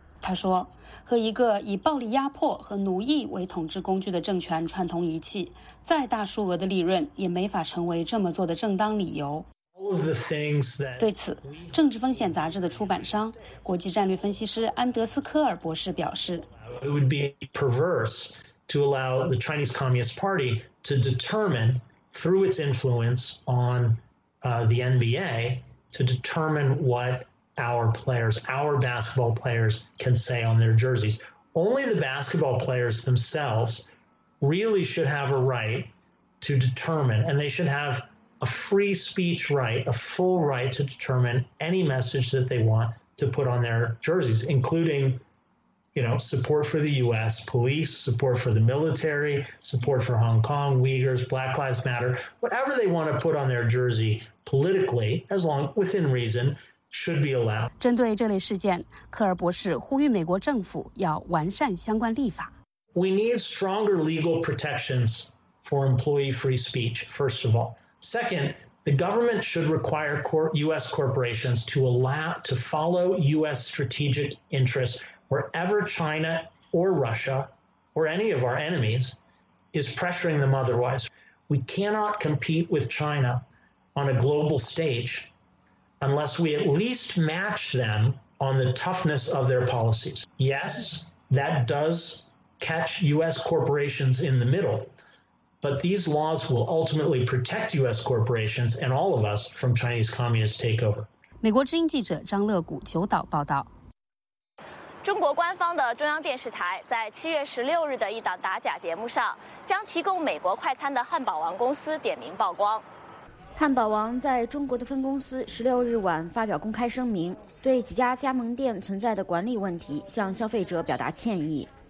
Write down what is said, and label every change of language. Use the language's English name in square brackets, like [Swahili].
[Chinese] 他说，和一个以暴力压迫和奴役为统治工具的政权串通一气，再大数额的利润也没法成为这么做的正当理由。对此，政治风险杂志的出版商、国际战略分析师安德斯科尔博士表示， [English] It would be perverse to allow the Chinese Communist Party to determine through its influence on the NBA to determine what our players, our basketball players can say on their jerseys. Only the basketball players themselves really should have a right to determine, and they should have a free speech right, a full right to determine any message that they want to put on their jerseys, including, you know, support for the U.S. police, support for the military, support for Hong Kong, Uyghurs, Black Lives Matter, whatever they want to put on their jersey politically, as long within reason, should be allowed. [Chinese] 针对这类事件，科尔博士呼吁美国政府要完善相关立法。 [English] We need stronger legal protections for employee free speech, first of all. Second, the government should require U.S. corporations to follow U.S. strategic interests wherever China or Russia or any of our enemies is pressuring them otherwise. We cannot compete with China on a global stage unless we at least match them on the toughness of their policies. Yes, that does catch U.S. corporations in the middle. But these laws will ultimately protect U.S. corporations and all of us from Chinese communist takeover. [Chinese] 美国之音记者张乐谷九岛报道。中国官方的中央电视台在7月16日的一档打假节目上，将提供美国快餐的汉堡王公司点名曝光。汉堡王在中国的分公司16日晚发表公开声明，对几家加盟店存在的管理问题向消费者表达歉意。